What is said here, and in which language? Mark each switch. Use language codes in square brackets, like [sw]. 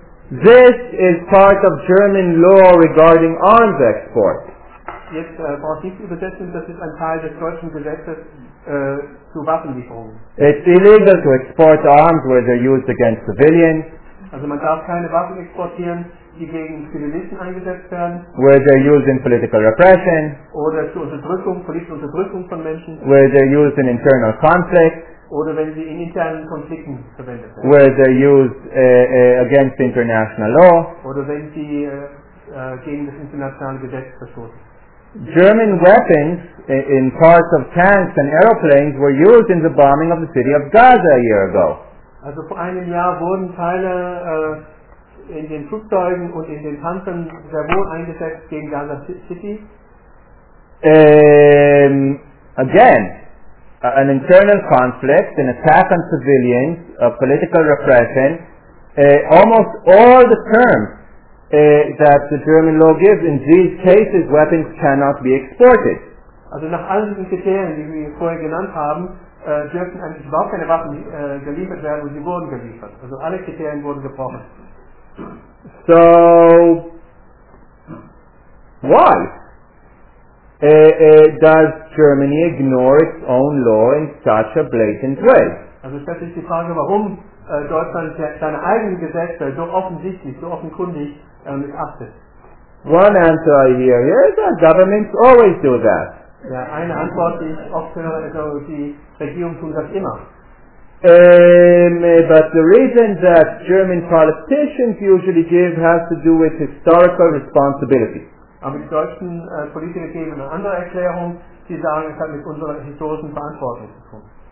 [en] This is part of German law regarding arms export. [de] Jetzt brauche ich übersetzen, das ist ein Teil des deutschen Gesetzes zu Waffenlieferungen. [en] It's illegal to export arms where they're used against civilians. [de] Also man darf keine Waffen exportieren, die gegen Zivilisten eingesetzt werden. [en] Where they're used in political repression. [de] Oder zur Unterdrückung, politische Unterdrückung von Menschen. [en] Where they're used in internal conflict. [de] Oder wenn sie in internen Konflikten verwendet werden. [en] Where they're used against international law. [de] Oder wenn sie gegen das internationale Gesetz verstoßen. [en] German weapons in parts of tanks and aeroplanes were used in the bombing of the city of Gaza a year ago. [de] Also vor einem Jahr wurden Teile in den Flugzeugen und in den Panzern sehr wohl eingesetzt gegen Gaza City. [en] Again, an internal conflict, an attack on civilians, a political repression, almost all the terms that the German law gives, in these cases, weapons cannot be exported. [de] Also nach all diesen Kriterien, die wir vorher genannt haben, dürfen eigentlich überhaupt keine Waffen geliefert werden, und sie wurden geliefert. Also alle Kriterien wurden gebrochen. [en] So, why does Germany ignore its own law in such a blatant way? [de] Also stellt sich die Frage, warum Deutschland seine eigenen Gesetze so offensichtlich, so offenkundig missachtet. [en] One answer I hear is that governments always do that. [de] Ja, eine Antwort, die ich oft höre, ist, also die Regierung tut das immer. [en] But the reason that German politicians usually give has to do with historical responsibility. [de] Aber die deutschen Politiker geben eine andere Erklärung, die sagen, es hat mit unserer historischen Verantwortung zu tun.